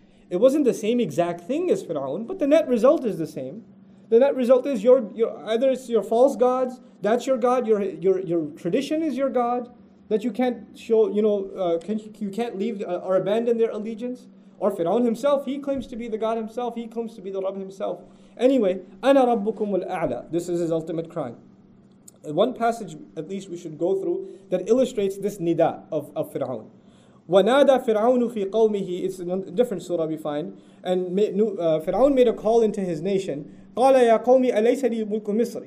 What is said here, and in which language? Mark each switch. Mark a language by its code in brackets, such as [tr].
[en] It wasn't the same exact thing as Fir'aun, but the net result is the same. The net result is your either it's your false gods, that's your god, your tradition is your god, that you can't show, you can't leave or abandon their allegiance. Or Fir'aun himself, he claims to be the god himself, he claims to be the Rabb himself. Anyway, [ar] أَنَا رَبُّكُمُ الْأَعْلَى. [en] This is his ultimate cry. One passage at least we should go through that illustrates this nida of Fir'aun. [ar] وَنَادَى فِرْعَوْنُ فِي قَوْمِهِ. [en] It's a different surah we find. And Fir'aun made a call into his nation. [ar] قَالَ يَا قَوْمِ أَلَيْسَ لِي مُلْكُ مِصْرِ.